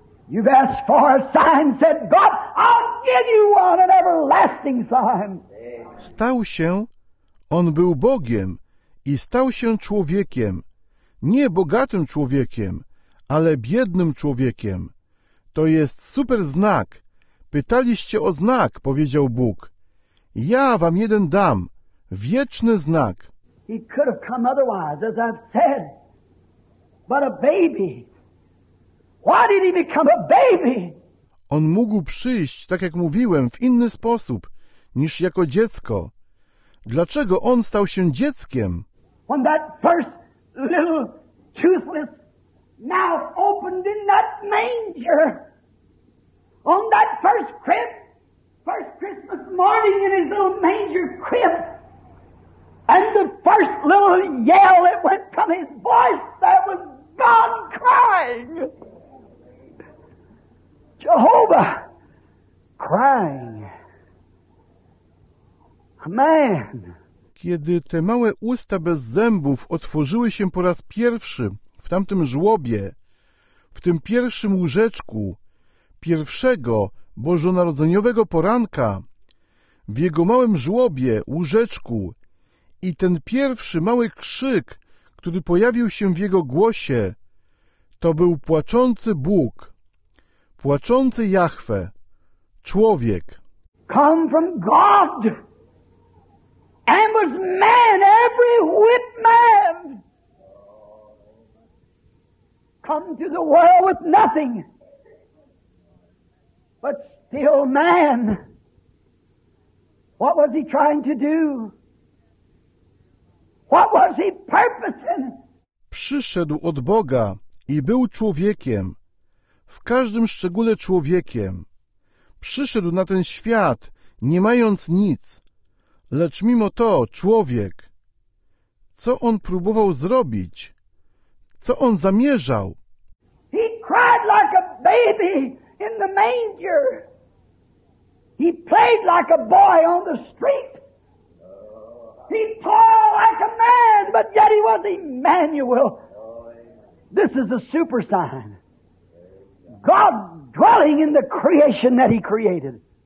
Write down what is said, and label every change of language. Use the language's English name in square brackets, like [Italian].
[English] You've asked for a sign, said God, I'll give you one, an everlasting sign. [Polish] Stał się, on był Bogiem i stał się człowiekiem, nie bogatym człowiekiem, ale biednym człowiekiem. To jest super znak. Pytaliście o znak, powiedział Bóg. Ja wam jeden dam, wieczny znak. [English] He could have come otherwise, as I've said, but a baby. Why did he become a baby? [Polish] On mógł przyjść, tak jak mówiłem, w inny sposób niż jako dziecko. Dlaczego on stał się dzieckiem? [English] When that first little toothless mouth opened in that manger, on that first crib, first Christmas morning in his little manger crib, and the first little yell that went from his voice, that was God crying. Jehovah crying. Man. [Polish] Kiedy te małe usta bez zębów otworzyły się po raz pierwszy w tamtym żłobie, w tym pierwszym łóżeczku, pierwszego bożonarodzeniowego poranka, w jego małym żłobie, łóżeczku i ten pierwszy mały krzyk, który pojawił się w jego głosie, to był płaczący Bóg, płaczący Jahwe, człowiek. [English] Come from God! And was man, every whit man. Come to the world with nothing, but still man. What was he trying to do? What was he purposing? [Polish] Przyszedł od Boga i był człowiekiem, w każdym szczególe człowiekiem. Przyszedł na ten świat, nie mając nic. Lecz mimo to człowiek, co on próbował zrobić? Co on zamierzał? [English] He cried like a baby in the manger. He played like a boy on the street. He tore like a man, but yet he was Emmanuel. This is a super sign. God dwelling in the creation that he created.